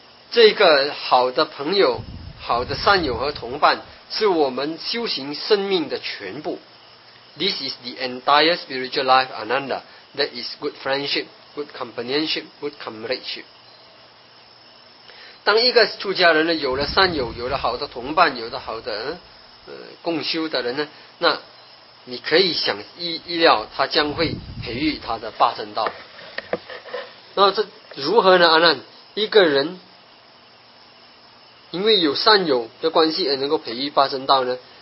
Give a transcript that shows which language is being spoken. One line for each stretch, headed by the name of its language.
Chinese: 这个好的朋友、好的善友和同伴，是我们修行生命的全部。
English: This is the entire spiritual life, Ananda. That is good friendship, good companionship, good comradeship.
Chinese: 当一个出家人呢，有了善友，有了好的同伴，有了好的共修的人呢，那你可以想意料，他将会培育他的八正道。那这如何呢，阿难？一个人因为有善友的关系而能够培育八正道呢？